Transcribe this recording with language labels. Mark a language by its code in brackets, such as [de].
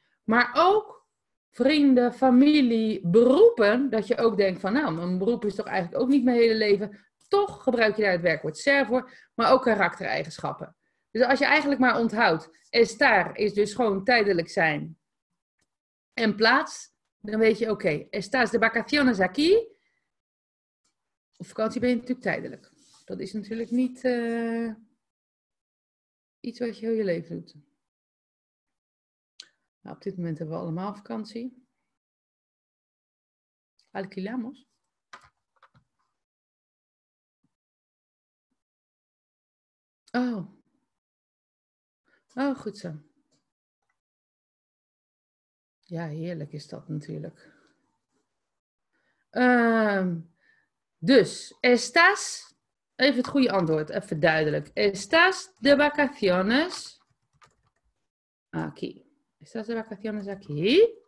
[nl] Maar ook vrienden, familie, beroepen. Dat je ook denkt van, nou, mijn beroep is toch eigenlijk ook niet mijn hele leven. Toch gebruik je daar het werkwoord ser voor. Maar ook karaktereigenschappen. Dus als je eigenlijk maar onthoudt, estar is dus gewoon tijdelijk zijn en plaats. Dan weet je, oké, [es] estás de vacaciones aquí. [nl] Op vakantie ben je natuurlijk tijdelijk. Dat is natuurlijk niet iets wat je heel je leven doet. Nou, op dit moment hebben we allemaal vakantie. [es] Alquilamos. [nl] Oh. Oh, goed zo. Ja, heerlijk is dat natuurlijk. Dus, estás, even het goede antwoord, even duidelijk. [es] Estás de vacaciones aquí. Estás de vacaciones aquí.